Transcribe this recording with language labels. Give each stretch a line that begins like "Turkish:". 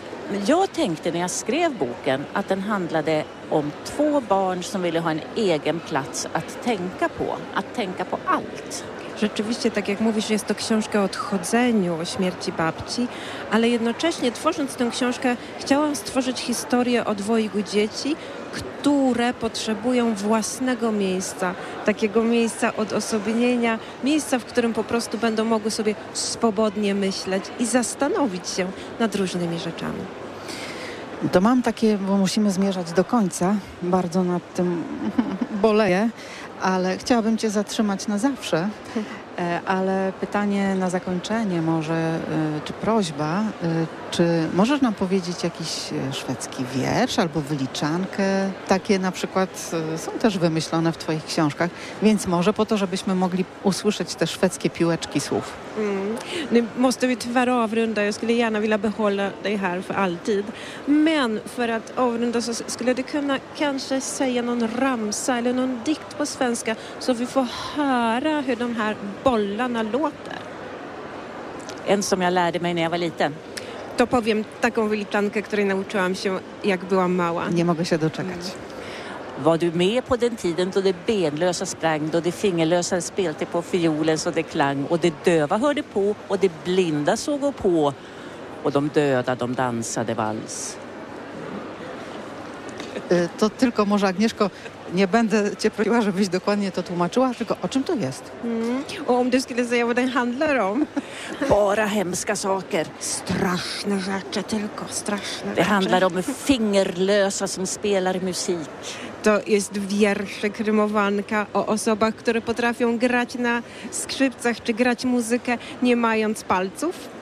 Swedish: Men jag tänkte när jag skrev boken att den handlade om två barn som ville ha en egen plats att tänka på. Att tänka på allt.
Polish: Rzeczywiście, tak jak mówisz, jest to książka o odchodzeniu, o śmierci babci, ale jednocześnie tworząc tę książkę chciałam stworzyć historię o dwojgu dzieci, które potrzebują własnego miejsca, takiego miejsca odosobnienia, miejsca, w którym po prostu będą mogły sobie swobodnie myśleć i zastanowić się nad różnymi rzeczami. To mam takie, bo musimy zmierzać do końca, bardzo nad tym boleję, ale chciałabym cię zatrzymać na zawsze, ale pytanie na zakończenie może, czy prośba, czy możesz nam powiedzieć jakiś szwedzki wiersz albo wyliczankę? Takie na przykład są też wymyślone w twoich książkach, więc może po to, żebyśmy mogli usłyszeć te szwedzkie piłeczki słów.
Swedish: Nu måste vi tyvärr avrunda. Jag skulle gärna vilja behålla dig här för alltid. Men för att avrunda så skulle du kunna kanske säga någon ramsa eller någon dikt på svenska så vi får höra hur de här bollarna låter. En som jag lärde mig när jag var liten.
Polish: To powiem taką wyliczankę, której nauczyłam się jak byłam mała. Nie mogę się doczekać.
Swedish: Var du med på den tiden då det benlösa sprang, då det fingerlösa spelte på fiolen så det klang och det döva hörde på och det blinda såg och på och de döda de dansade vals.
Polish: To tylko może Agnieszko, nie będę cię prosiła, żebyś dokładnie to tłumaczyła, tylko o czym to jest?
Swedish: Och om du skulle säga vad den handlar om? Bara hemska saker.
Polish: Straszne rzeczy tylko, straszne rzeczy.
Swedish: Det handlar om fingerlösa som spelar musik.
Polish: To jest wiersz, rymowanka o osobach, które potrafią grać na skrzypcach czy grać muzykę nie mając palców.